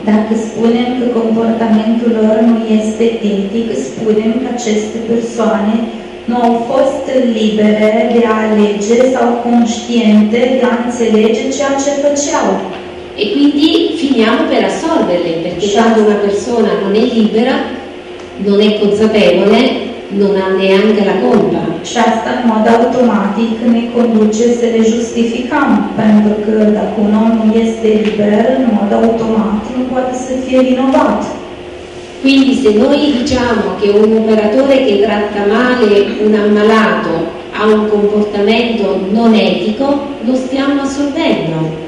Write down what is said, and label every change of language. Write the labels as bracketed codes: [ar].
[ro] Dacă spunem că comportamentul lor nu este etic, spunem că aceste persoane nu au fost libere de a alege sau conștiente de a înțelege ceea ce făceau. [it] E quindi finiamo per assolverle, perché quando una persona non è libera, non è consapevole, non ha neanche la colpa. [ro] Și asta, în mod automatic, ne conduce să le justificăm, pentru că dacă un om nu este liber, în mod automat, nu poate să fie vinovat. [it] Quindi, se noi diciamo che un operatore che tratta male un ammalato ha un comportamento non etico, lo stiamo assolvendo.